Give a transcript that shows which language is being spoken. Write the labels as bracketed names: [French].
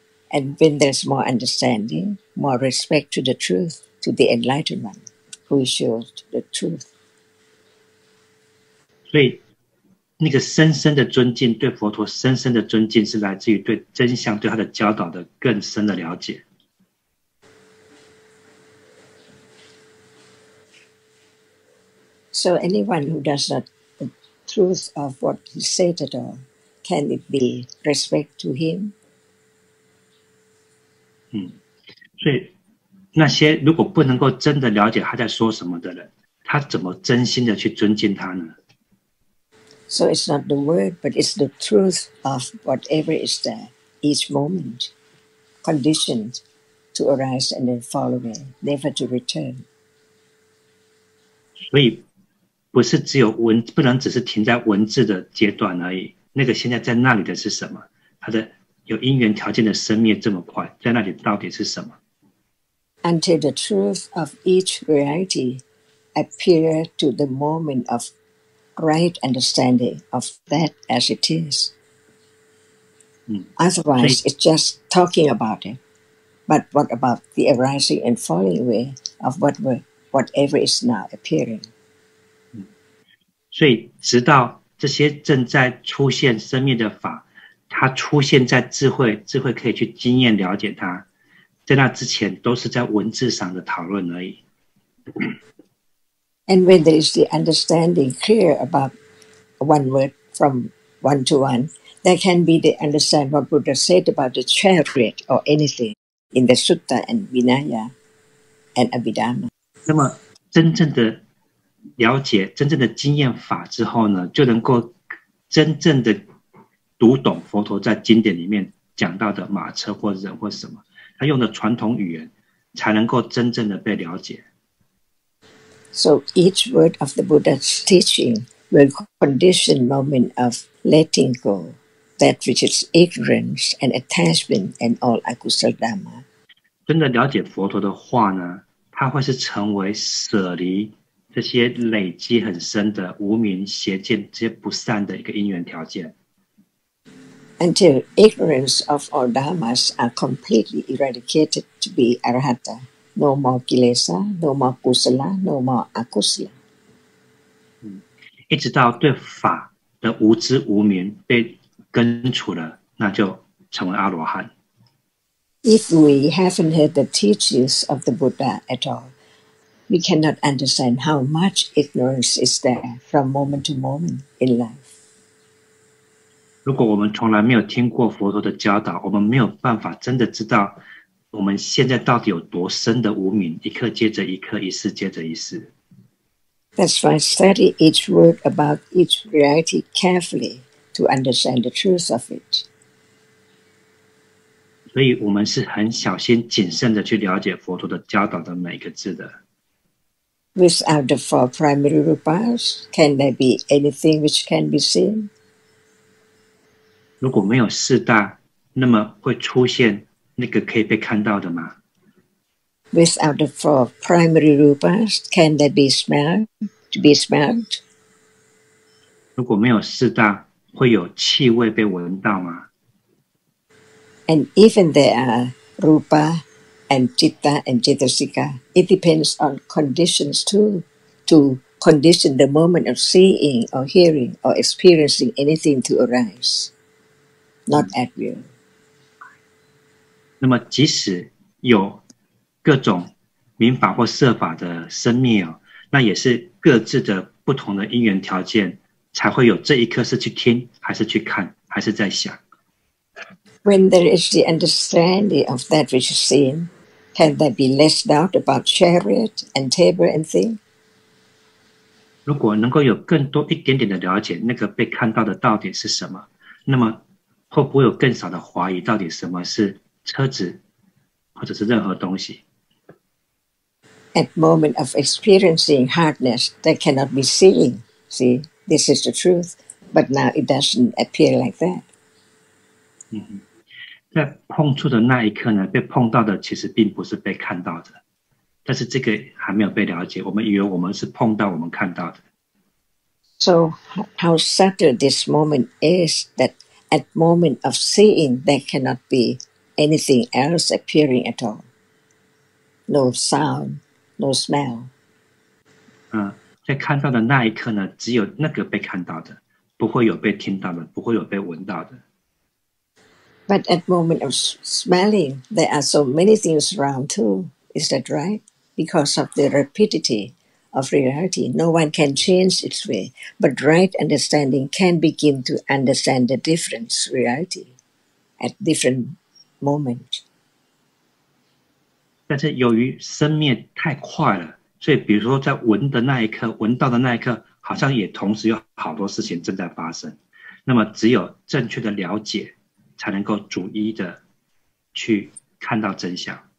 [English] And when there's more understanding, more respect to the truth, to the enlightenment, who shows the truth. [Chinese] 所以那个深深的尊敬，对佛陀深深的尊敬是来自于对真相，对他的教导的更深的了解。 [English] So anyone who does notTruth of what he said at all, can it be respect to him? [Chinese] 所以那些如果不能够真的了解他在说什么的人，他怎么真心的去尊敬他呢？ [English] So it's not the word, but it's the truth of whatever is there, each moment, conditioned to arise and then fall away, never to return. [Chinese] 所以不是只有文，不能只是停在文字的阶段而已。那个现在在那里的是什么？它的有因缘条件的生灭这么快，在那里到底是什么 [English] ？Until the truth of each reality appear to the moment of right understanding of that as it is. Otherwise, it's just talking about it. But what about the arising and falling away of whatever is now appearing? [Chinese] 所以直到这些正在出现生命的法，它出现在智慧，智慧可以去经验了解它，在那之前都是在文字上的讨论而已。 [English] And when there is the understanding clear about one word from one to one, there can be the understand what Buddha said about the chariot or anything in the Sutta and Vinaya and Abhidhamma. [Chinese] 那么真正的了解真正的经验法之后呢，就能够真正的读懂佛陀在经典里面讲到的马车或人或什么，他用的传统语言才能够真正的被了解。 [English] So each word of the Buddha's teaching will condition moment of letting go, that which is ignorance and attachment and all akusala dhamma. [Chinese] 真的了解佛陀的话呢，它会是成为舍离。这些累积很深的无明邪见，这些不善的一个因缘条件。 [English] Until ignorance of all dharmas are completely eradicated to be arahata, no more kilesa, no more kusala, no more akusala。 [Chinese] 一直到对法的无知无明被根除了，那就成为阿罗汉。 [English] If we haven't heard the teachings of the Buddha at all. We cannot understand how much ignorance is there from moment to moment in life. [Chinese] 如果我们从来没有听过佛陀的教导，我们没有办法真的知道我们现在到底有多深的无明，一刻接着一刻，一世接着一世。 [English] That's why study each word about each reality carefully to understand the truth of it. [Chinese] 所以我们是很小心谨慎的去了解佛陀的教导的每个字的。 [English] Without the four primary rupas, can there be anything which can be seen? [Chinese] 如果没有四大，那么会出现那个可以被看到的吗？ [English] Without the four primary rupas, can there be smell? To be smelled? [Chinese] 如果没有四大，会有气味被闻到吗？ [English] And even there are rupa and citta and cittasika, it depends on conditions too, to condition the moment of seeing or hearing or experiencing anything to arise, not at will. [Chinese] 那么即使有各种明法或设法的生灭、哦、那也是各自的不同的因缘条件才会有这一刻是去听还是去看还是在想。 [English] When there is the understanding of that which is seen, can there be less doubt about chariot and table and thing? [Chinese] 如果能够有更多一点点的了解那个被看到的到底是什么，那么会不会有更少的怀疑到底什么是车子或者是任何东西。 [English] At moment of experiencing hardness, they cannot be seeing. See, this is the truth. But now it doesn't appear like that. [Chinese] 在碰触的那一刻呢，被碰到的其实并不是被看到的，但是这个还没有被了解。我们以为我们是碰到我们看到的。 [English] So how subtle this moment is that at moment of seeing, there cannot be anything else appearing at all. No sound. No smell. [Chinese] 在看到的那一刻呢，只有那个被看到的，不会有被听到的，不会有被闻到的。 [English] But at moment of smelling, there are so many things around too. Is that right? Because of the rapidity of reality, no one can change its way. But right understanding can begin to understand the difference reality at different moment. [Chinese] 但是由于生灭太快了，所以比如说在闻的那一刻，闻到的那一刻，好像也同时有好多事情正在发生。那么只有正确的了解，才能够逐一的去看到真相。